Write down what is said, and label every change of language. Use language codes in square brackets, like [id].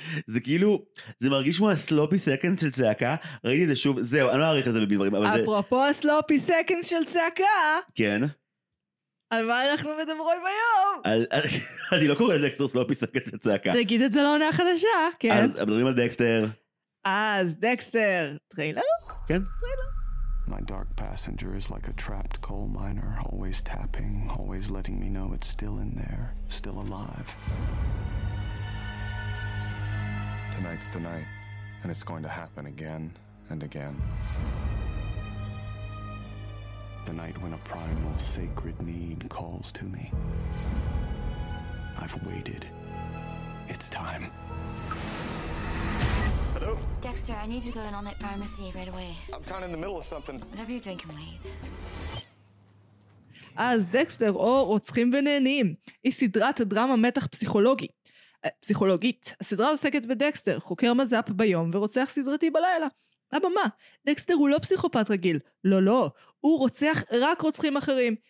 [he] זה כאילו, זה מרגיש כמו הסלופי סקנס של צעקה, ראיתי את זה שוב, זהו, אני לא אעריך את זה בדברים, אבל זה... אפרופו הסלופי סקנס של צעקה! כן. על מה אנחנו מדברים היום? אני לא קורא לדקסטר סלופי סקנס של צעקה. תגיד את זה לעונה החדשה, כן. אז מדברים על דקסטר. אז דקסטר, טריילר? כן. טריילר. [en] My dark passenger is like a trapped coal miner, always tapping, always letting me know it's still in there, still alive. Tonight's the night, and it's going to happen again and again. The night when a primal, sacred need calls to me. I've waited. It's time. Hello? Dexter, I need you to go to an all-night pharmacy right away. I'm kind of in the middle of something. Whatever you're drinking, wait. [he] אז דקסטר או רוצחים ונהנים היא סדרת דרמה מתח פסיכולוגי. פסיכולוגית. הסדרה עוסקת בדקסטר, חוקר מזאפ ביום ורוצח סדרתי בלילה. אבא מה? דקסטר הוא לא פסיכופת רגיל. לא, לא. הוא רוצח רק רוצחים אחרים.